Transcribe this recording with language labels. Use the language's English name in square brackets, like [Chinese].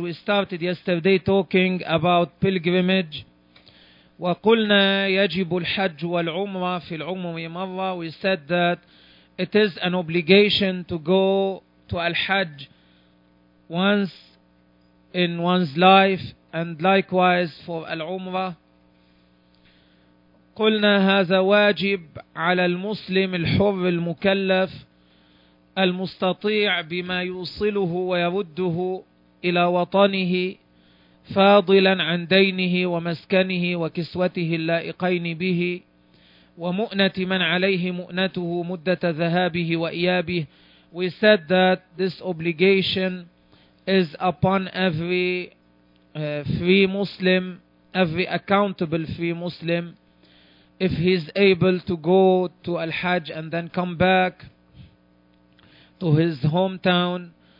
[English] We started yesterday talking about pilgrimage. [Arabic] وقلنا يجب الحج والعمرة في العمر مرة. [English] We said that it is an obligation to go to al-Hajj once in one's life and likewise for al-Umrah. [Arabic] قلنا هذا واجب على المسلم الحر المكلف المستطيع بما يوصله ويرده إلى وطنه فاضلا عن دينه ومسكنه وكسوته اللائقين به ومؤنة من عليه مؤنته مدة ذهابه وإيابه. [English] We said that this obligation is upon every free Muslim, every accountable free Muslim, if he is able to go to Al-Hajj and then come back to his hometown.